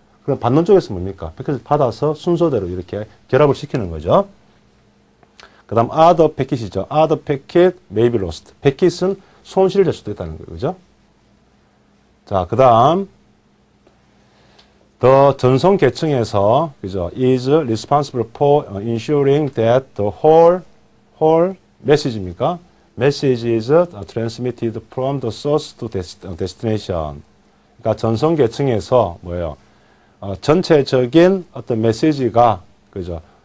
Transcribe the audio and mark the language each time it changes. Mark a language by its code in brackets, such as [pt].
[ko] 그럼 받는 쪽에서 뭡니까? 패킷을 받아서 순서대로 이렇게 결합을 시키는 거죠. 그 다음, [en] other [ko] 패킷이죠. [en] other packet may be lost. [ko] 패킷은 손실될 수도 있다는 거죠. 그죠? 자, 그 다음, the 전송 계층에서, 그죠? [en] is responsible for ensuring that the whole message입니까? message is transmitted from the source to destination. [ko] 그러니까 전송 계층에서 뭐예요? 전체적인 어떤 메시지가, 그죠?